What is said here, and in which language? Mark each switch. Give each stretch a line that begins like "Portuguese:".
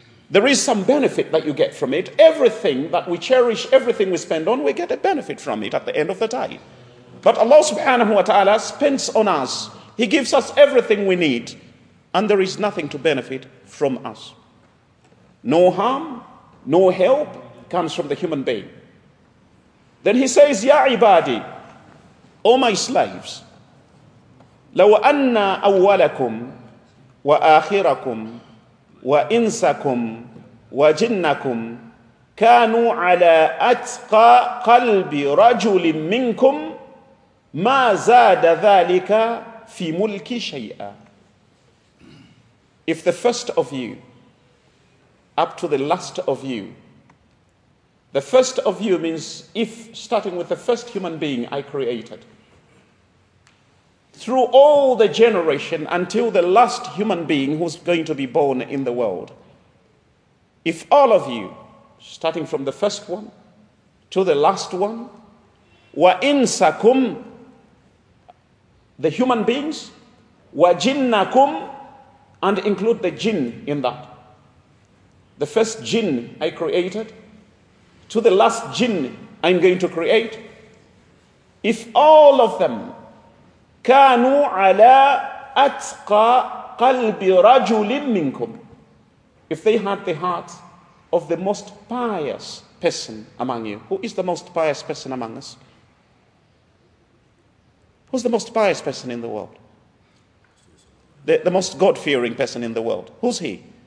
English: There is some benefit that you get from it. Everything that we cherish, everything we spend on, we get a benefit from it at the end of the day. But Allah subhanahu wa ta'ala spends on us. He gives us everything we need. And there is nothing to benefit from us. No harm, no help comes from the human being. Then he says, Ya ibadi, O my slaves,
Arabic: لو أن أولكم وآخركم وإنسكم وجنكم كانوا على أتقى قلب رجل منكم ما زاد ذلك في ملك شيئا.
English: If the first of you up to the last of you, the first of you means if, starting with the first human being I created, through all the generation until the last human being who's going to be born in the world, if all of you, starting from the first one to the last one, wa insakum, the human beings, wa jinnakum, and include the jinn in that, the first jinn I created, to the last jinn I'm going to create, if all of them
Arabic: كانوا على أتقى قلب رجل منكم.
English: If they had the heart of the most pious person among you. Who is the most pious person among us? Who's the most pious person in the world? The most God-fearing person in the world. Who's he?